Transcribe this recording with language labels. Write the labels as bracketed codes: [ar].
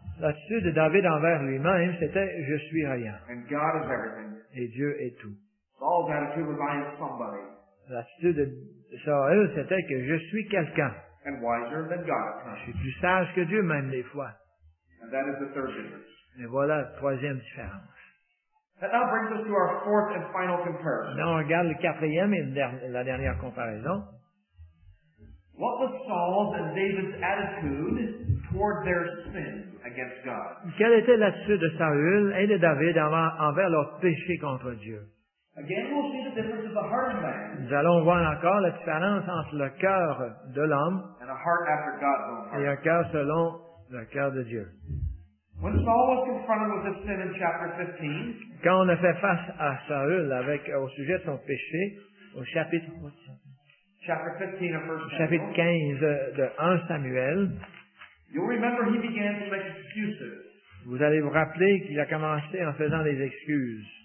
[fr] L'attitude de David envers lui-même, c'était, je suis rien. [en] And God is everything. [fr] Et Dieu est tout. [en] Saul's attitude was, I am somebody. [fr] L'attitude de Saul, c'était que je suis quelqu'un. [en] And wiser than God. [fr] Je suis plus sage que Dieu même des fois. [en] And that is the third difference. [fr] Et voilà la troisième différence. [en] That now brings us to our fourth and final comparison. [fr] Maintenant, on regarde le quatrième et la dernière comparaison. [en] What was Saul's and David's attitude toward their sin against God? [fr] Quelle était l'attitude de Saül et de David envers leur péché contre Dieu? Nous allons voir encore la différence entre le cœur de l'homme et un cœur selon le cœur de Dieu. [en] When Saul was confronted with his sin in chapter 15, [fr] quand on a fait face à Saül avec au sujet de son péché, au chapitre 15 de 1 Samuel, [en] you'll remember he began to make excuses. [fr] Vous allez vous rappeler qu'il a commencé en faisant des excuses.